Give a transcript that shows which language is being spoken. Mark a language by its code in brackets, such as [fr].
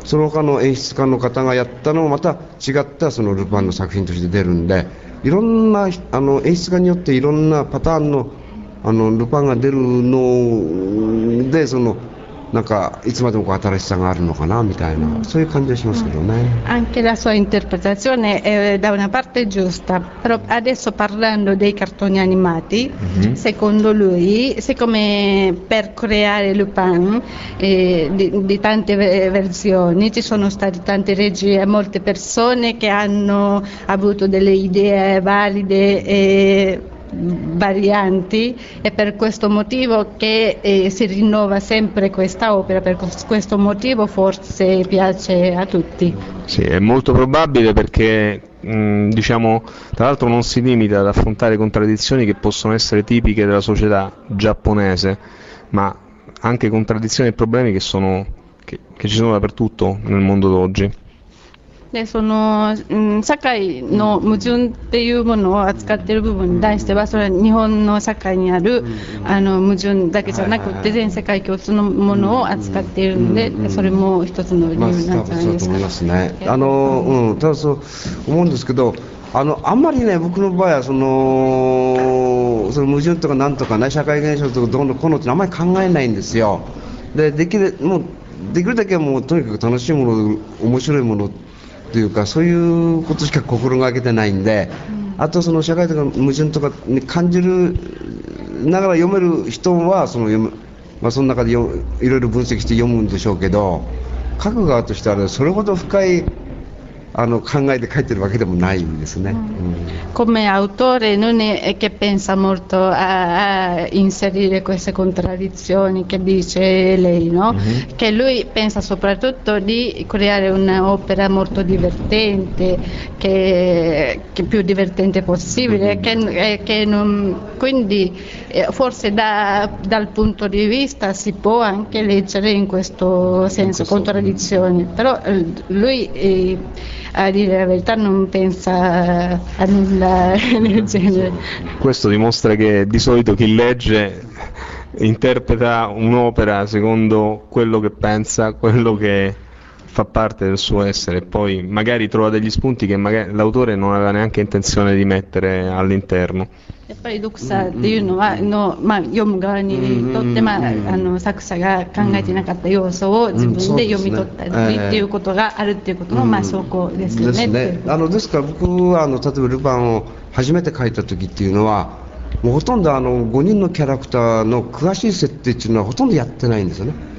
[ja] 他の演出家の方がやったのもまた違ったそのルパンの作品として出るんで、いろんな演出家によっていろんなパターン の、 ルパンが出るので、そのなんかいつまでも新しさがあるのかなみたいな、そういう感じがしますけどね。 [it] Anche la sua interpretazione è da una parte giusta, però adesso parlando dei cartoni animati, secondo lui, siccome per creare Lupin di tante versioni ci sono stati tanti regia, molte persone che hanno avuto delle idee valide e varianti, e per questo motivo che si rinnova sempre questa opera, per questo motivo forse piace a tutti. Sì, è molto probabile, perché diciamo, tra l'altro non si limita ad affrontare contraddizioni che possono essere tipiche della società giapponese, ma anche contraddizioni e problemi che sono che ci sono dappertutto nel mondo d'oggi. [ja] でその社会の矛盾っていうものを扱っている部分に対しては、それは日本の社会にある矛盾だけじゃなくて全世界共通のものを扱っているので、それも一つの理由なんじゃないですか。そうと思いますね。ただそう思うんですけど、あんまりね、僕の場合はその矛盾とかなんとかね、社会現象とかどうのこうのってあんまり考えないんですよ。でできるだけもうとにかく楽しいもの、面白いものというか、そういうことしか心がけてないんで、あとその社会とか矛盾とかに感じるながら読める人はその読む、まあ、その中でいろいろ分析して読むんでしょうけど、書く側としてはそれほど深い考えて書いてるわけでもないんですね。 [it] Come autore non è che pensa molto a inserire queste contraddizioni che dice lei, no? Che lui pensa soprattutto di creare un'opera molto divertente, che più divertente possibile, che non, quindi forse dal punto di vista si può anche leggere in questo senso, contraddizioni, però lui a dire la verità non pensa a nulla del genere. Questo dimostra che di solito chi legge interpreta un'opera secondo quello che pensa, quello che fa parte del suo essere, poi magari trova degli spunti che magari l'autore non aveva neanche intenzione di mettere all'interno. [ja] やっぱり読者っていうのは、まあ、読む側にとって、まあ、作者が考えていなかった要素を自分で読み取ったりっていうことがあるっていうことの、まあ、証拠ですよね。ですね。ですから僕は例えばルパンを初めて書いた時っていうのは、もうほとんど5人のキャラクターの詳しい設定っていうのはほとんどやってないんですよね。